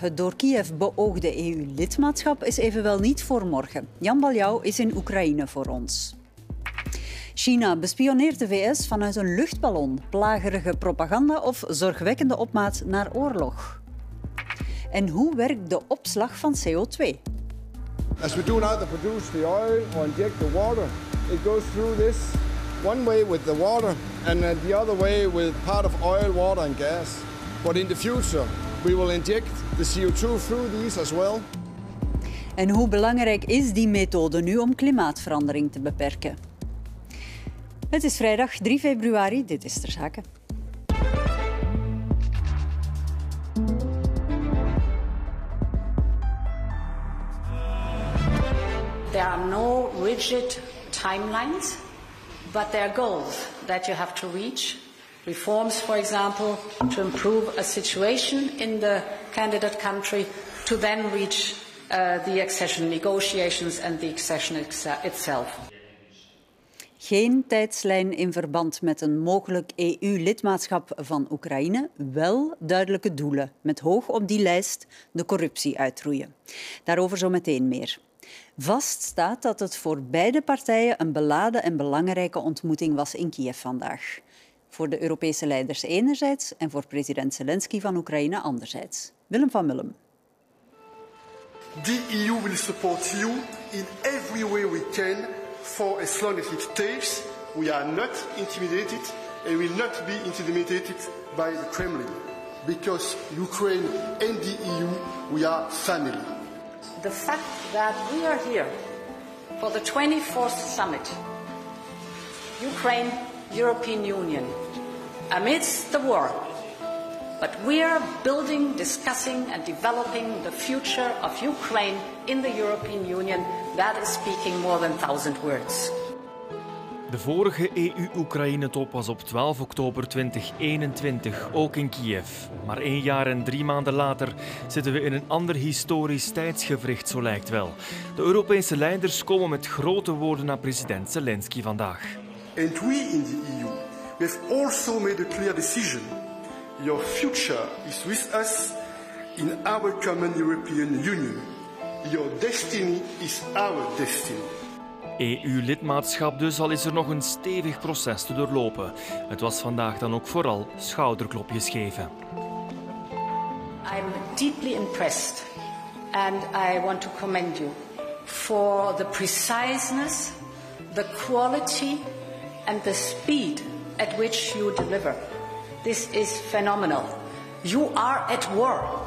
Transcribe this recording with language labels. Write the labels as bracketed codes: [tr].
[nl] Het door Kiev beoogde EU-lidmaatschap is evenwel niet voor morgen. Jan Baljouw is in Oekraïne voor ons. China bespioneert de VS vanuit een luchtballon. Plagerige propaganda of zorgwekkende opmaat naar oorlog? En hoe werkt de opslag van CO2? [en] As we do now to produce the oil or inject the water, it goes through this one way with the water and the other way with part of oil, water and gas. But in the future, we will inject the CO2 through these as well. [nl] En hoe belangrijk is die methode nu om klimaatverandering te beperken? Het is vrijdag 3 februari, dit is Ter Zake. [en] There are no rigid timelines, but there are goals that you have to reach. Reforms, for example, to improve a situation in the candidate country, to then reach the accession negotiations and the accession itself. [nl] Geen tijdslijn in verband met een mogelijk EU-lidmaatschap van Oekraïne. Wel duidelijke doelen. Met hoog op die lijst de corruptie uitroeien. Daarover zo meteen meer. Vast staat dat het voor beide partijen een beladen en belangrijke ontmoeting was in Kiev vandaag. Voor de Europese leiders enerzijds en voor president Zelensky van Oekraïne anderzijds. Willem van Mullum. [en] De EU will support you in every way we can. For as long as it takes, we are not intimidated and will not be intimidated by the Kremlin. Because Ukraine and the EU, we are family. The fact that we are here for the 24th summit, Ukraine, European Union, amidst the war, but we are building, discussing and developing the future of Ukraine in the European Union. That is speaking more than 1000 words. [nl] De vorige EU-Oekraïne-top was op 12 oktober 2021, ook in Kiev. Maar 1 jaar en 3 maanden later zitten we in een ander historisch tijdsgevricht, zo lijkt wel. De Europese leiders komen met grote woorden naar president Zelensky vandaag. [en] And we in the EU, we have also made a clear decision. Your future is with us in our common European Union. Your destiny is our destiny. [nl] EU-lidmaatschap dus, al is er nog een stevig proces te doorlopen. Het was vandaag dan ook vooral schouderklopjes geven. [en] I'm deeply impressed and I want to commend you for the preciseness, the quality and the speed at which you deliver. This is phenomenal. You are at war.